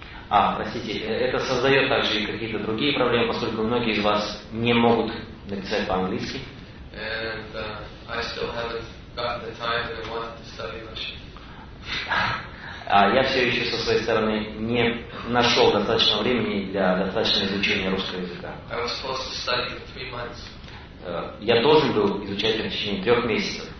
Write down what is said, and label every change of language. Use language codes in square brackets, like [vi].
[ru] А, простите, это создает также и какие-то другие проблемы, поскольку многие из вас не могут написать по-английски. [en] And I still haven't got the time that I want to study much. [ru] Я все еще со своей стороны не нашел достаточно времени для достаточного изучения русского языка. [en] I was supposed to study for 3 months. [ru] Я должен был изучать в течение 3 месяцев.